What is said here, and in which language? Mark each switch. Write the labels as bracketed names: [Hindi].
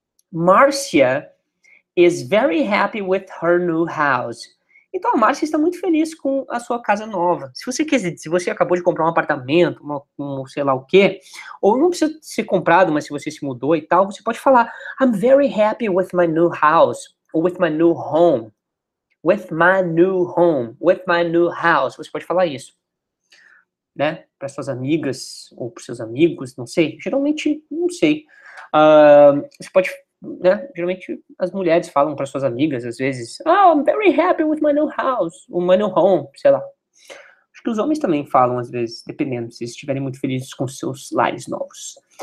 [English] Marcia is very happy with her new house. [Portuguese] Então, a Márcia está muito feliz com a sua casa nova. Se você quiser, se você acabou de comprar um apartamento, um sei lá o quê, ou não precisa ser comprado, mas se você se mudou e tal, você pode falar: [English] I'm very happy with my new house, or with my new home. With my new home, with my new house. [Portuguese] Você pode falar isso, né? Para suas amigas ou para seus amigos, não sei. Geralmente, não sei. Você pode. Né? Geralmente as mulheres falam para suas amigas, às vezes, oh, [English] I'm very happy with my new house, my new home, [Portuguese] sei lá. Acho que os homens também falam, às vezes, dependendo, se estiverem muito felizes com seus lares novos.